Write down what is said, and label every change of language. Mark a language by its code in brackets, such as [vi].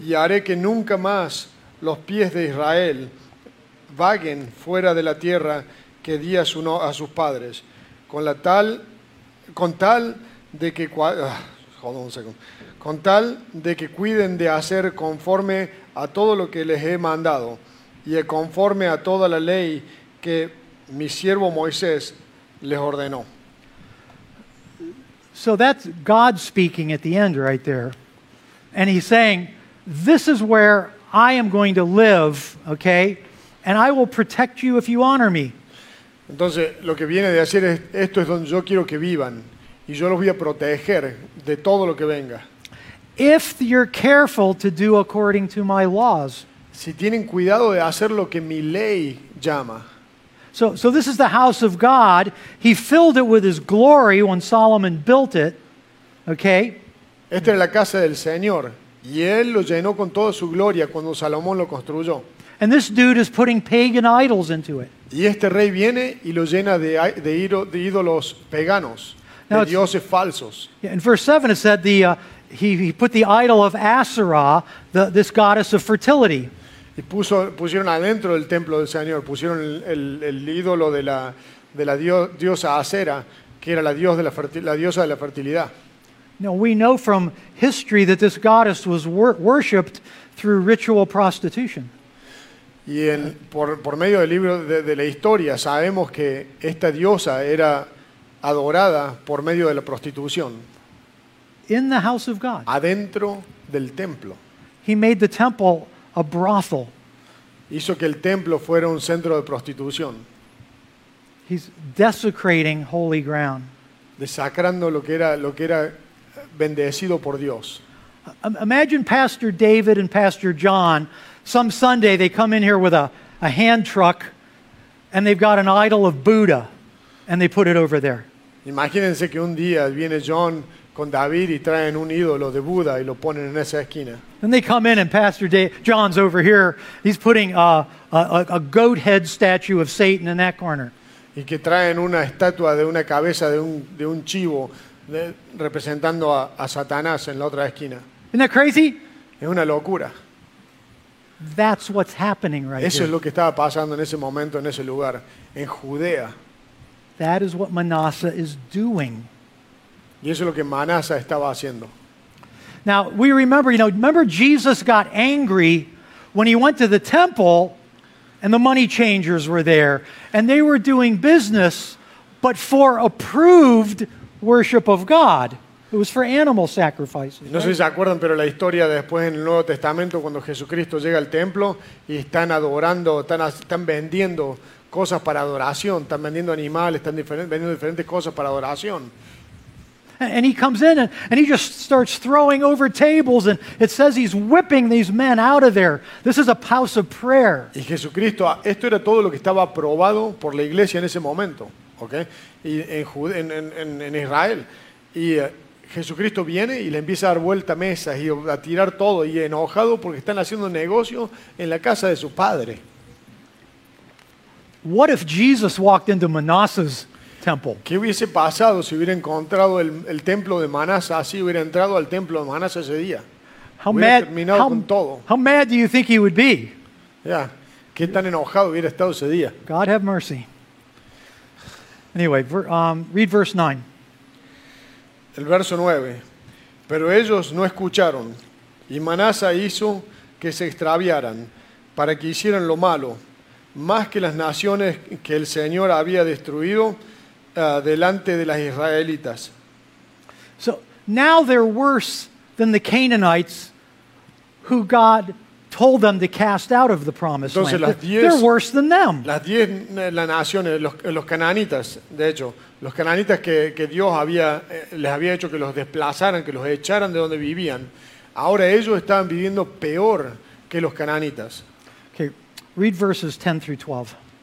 [es] Y haré que nunca más los pies de Israel vaguen fuera de la tierra que di a sus padres, con tal de que cuiden de hacer conforme a todo lo que les he mandado y conforme a toda la ley que mi siervo Moisés les ordenó. [en] So that's God speaking at the end right there. And he's saying, this is where I am going to live, okay? And I will protect you if you honor me. [es] Entonces, lo que viene de decir es, esto es donde yo quiero que vivan. Y yo los voy a proteger de todo lo que venga. [en] If you're careful to do according to my laws. [es] Si tienen cuidado de hacer lo que mi ley llama. [en] So this is the house of God. He filled it with his glory when Solomon built it. Okay? [es] Esta es la casa del Señor. Y él lo llenó con toda su gloria cuando Salomón lo construyó. [en] And this dude is putting pagan idols into it. [es] Y este rey viene y lo llena de ídolos paganos, now, de dioses falsos. [en] Yeah, in verse 7 it said he put the idol of Asherah, this goddess of fertility. [es] Y pusieron adentro del templo del Señor, pusieron el ídolo de la diosa Asera, que era la diosa de la fertilidad. [en] Now we know from history that this goddess was worshipped through ritual prostitution. [es] Y por medio del libro de la historia sabemos que esta diosa era adorada por medio de la prostitución. [en] In the house of God. [es] Adentro del templo. [en] He made the temple a brothel. [es] Hizo que el templo fuera un centro de prostitución. [en] He's desecrating holy ground. [es] Desacrando lo que era bendecido por Dios. [en] Imagine Pastor David and Pastor John. Some Sunday they come in here with a hand truck and they've got an idol of Buddha and they put it over there. [es] Imagínense que un día viene John con David y traen un ídolo de Buda y lo ponen en esa esquina. [en] And they come in and Pastor John's over here. He's putting a goat head statue of Satan in that corner. [es] Y que traen una estatua de una cabeza de un chivo representando a Satanás en la otra esquina. [en] Isn't that crazy? [es] Es una locura. [en] That's what's happening right [es] here. Eso es lo que estaba pasando en ese momento, en ese lugar, en Judea. [en] That is what Manasseh is doing. [es] Y eso es lo que Manasseh estaba haciendo. [en] Now, we remember, remember Jesus got angry when he went to the temple and the money changers were there and they were doing business, but for approved worship of God. It was for animal sacrifices. [es] No sé si se acuerdan, pero la historia después en el Nuevo Testamento, cuando Jesucristo llega al templo y están adorando, están vendiendo cosas para adoración, están vendiendo animales, están vendiendo diferentes cosas para adoración. [en] And he comes in and he just starts throwing over tables and it says he's whipping these men out of there. This is a house of prayer. [es] Y Jesucristo, esto era todo lo que estaba aprobado por la iglesia en ese momento, ¿okay? Y en Israel y Jesucristo viene y le empieza a dar vuelta a mesas y a tirar todo y enojado porque están haciendo negocio en la casa de su padre. [en] What if Jesus walked into Manasseh's temple? [es] ¿Qué hubiese pasado si hubiera encontrado el templo de Manasseh así, hubiera entrado al templo de Manasseh ese día? [en] How mad do you think he would be? [es] Yeah. ¿Qué tan enojado hubiera estado ese día? [en] God have mercy. Anyway, read verse 9. [es] El verso 9, pero ellos no escucharon, y Manasseh hizo que se extraviaran para que hicieran lo malo, más que las naciones que el Señor había destruido delante de las israelitas. [en] So, now they're worse than the Canaanites who God told them to cast out of the promised [es] Entonces, [en] land. [es] Diez, [en] they're worse than them. [es] Las diez naciones, los cananitas, de hecho, los cananitas que Dios había, les había hecho que los desplazaran, que los echaran de donde vivían, ahora ellos estaban viviendo peor que los cananitas. [en] Okay, read verses 10 through 12.